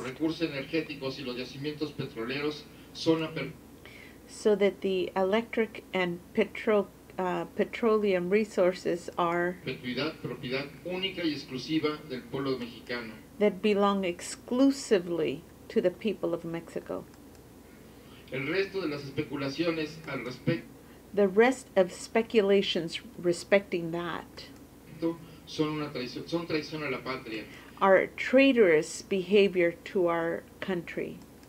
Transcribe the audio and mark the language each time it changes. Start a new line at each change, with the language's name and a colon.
Spanish: los recursos energéticos y los yacimientos petroleros son
English: so that the electric and petroleum resources are
Spanish: propiedad, propiedad única y exclusiva del pueblo mexicano.
English: That belong exclusively to the people of Mexico.
Spanish: El resto de las especulaciones al
English: the rest of speculations respecting that
Spanish: son traición a la patria.
English: Are traitorous behavior to our country.